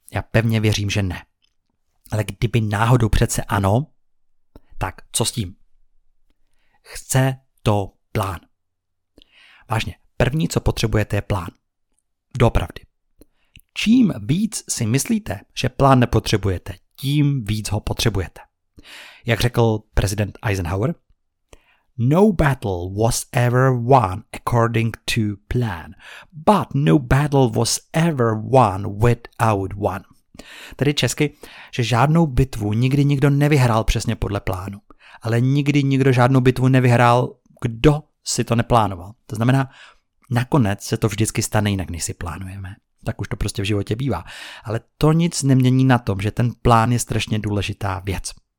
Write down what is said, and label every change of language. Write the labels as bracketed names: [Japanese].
[Czech] Já pevně věřím, že ne. Ale kdyby náhodou přece ano, tak co s tím? Chce to plán. Vážně, první, co potřebujete, je plán. Doopravdy. Čím víc si myslíte, že plán nepotřebujete, tím víc ho potřebujete. Jak řekl prezident Eisenhower, [English] no battle was ever won according to plan, but no battle was ever won without one. [Czech] Tedy česky, že žádnou bitvu nikdy nikdo nevyhrál přesně podle plánu, ale nikdy nikdo žádnou bitvu nevyhrál, kdo si to neplánoval. To znamená, nakonec se to vždycky stane jinak, než si plánujeme. Tak už to prostě v životě bývá. Ale to nic nemění na tom, že ten plán je strašně důležitá věc.